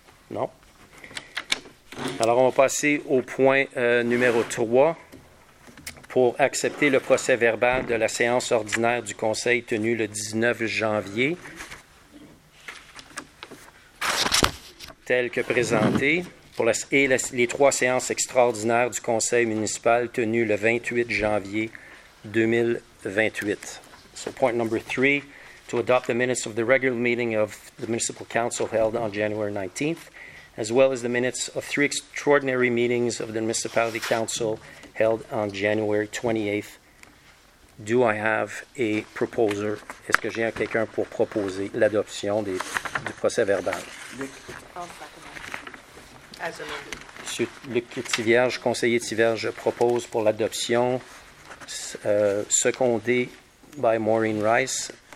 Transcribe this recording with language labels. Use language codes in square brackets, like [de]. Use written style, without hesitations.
[fr] Non? Alors, on va passer au point numéro 3 pour accepter le procès verbal de la séance ordinaire du Conseil tenue le 19 janvier, tel que présenté, et les trois séances extraordinaires du Conseil municipal tenues le 28 janvier 2028. [en] So, point number 3, to adopt the minutes of the regular meeting of the Municipal Council held on January 19th, as well as the minutes of three extraordinary meetings of the Municipality Council held on January 28th. Do I have a proposer? [fr] Est-ce que j'ai quelqu'un pour proposer l'adoption du procès verbal? Monsieur Luc Thivierge, conseiller Thivierge, propose pour l'adoption, secondé [en] by [fr] Maureen Rice.